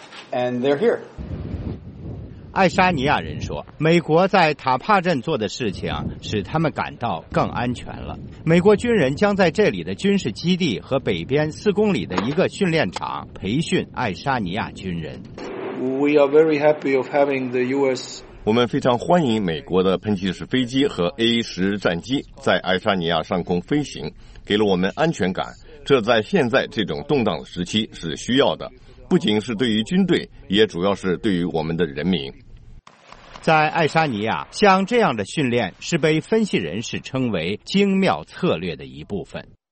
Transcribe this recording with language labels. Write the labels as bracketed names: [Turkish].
[English] And they're here. [Chinese] 爱沙尼亚人说，美国在塔帕镇做的事情使他们感到更安全了。美国军人将在这里的军事基地和北边4公里的一个训练场培训爱沙尼亚军人。 [English] We are very happy of having the US. [Chinese] 我们非常欢迎美国的喷气式飞机和 A-10 战机在爱沙尼亚上空飞行，给了我们安全感。这在现在这种动荡的时期是需要的，不仅是对于军队，也主要是对于我们的人民。在爱沙尼亚，像这样的训练是被分析人士称为精妙策略的一部分。